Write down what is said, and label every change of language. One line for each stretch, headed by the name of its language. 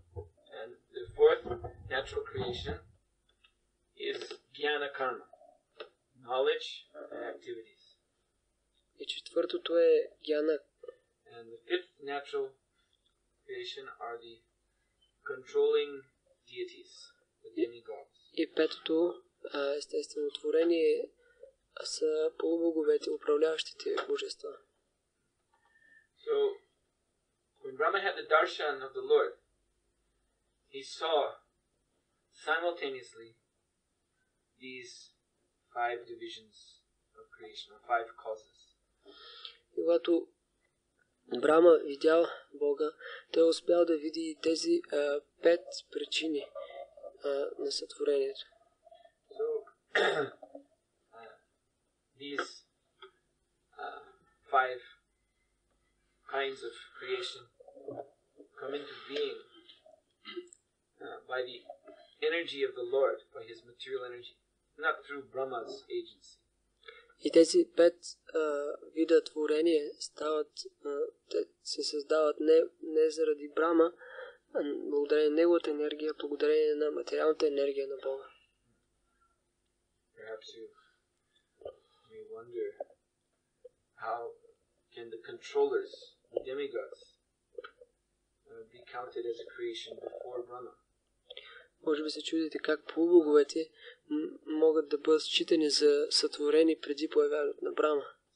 English: And the fourth natural creation is jnana karma, knowledge and activities.
Bulgarian: И четвъртото е jnana.
English: And the fifth natural creation are the controlling deities, the demigods.
Bulgarian: И петото естествено творение са полубоговете, управляващите божества.
English: So when Brahma had the darshan of the Lord, he saw simultaneously these five divisions of creation, or five causes.
Bulgarian: Когато Брама видял Бога, той успял да види тези пет причини на сътворението.
English: So these five kinds of creation come into being by the energy of the Lord, by his material energy, not through Brahma's agency.
Bulgarian: И тези пет вида творение стават, се създават не заради Брама, а благодарение на неговата енергия, благодарение на материалната енергия на Бога.
English: Perhaps you may wonder how can the controllers, the demigods, be counted as a creation before Brahma?
Bulgarian: Може би се чудите как полубоговете могат да бъдат считани за сътворени преди появяването на Брама.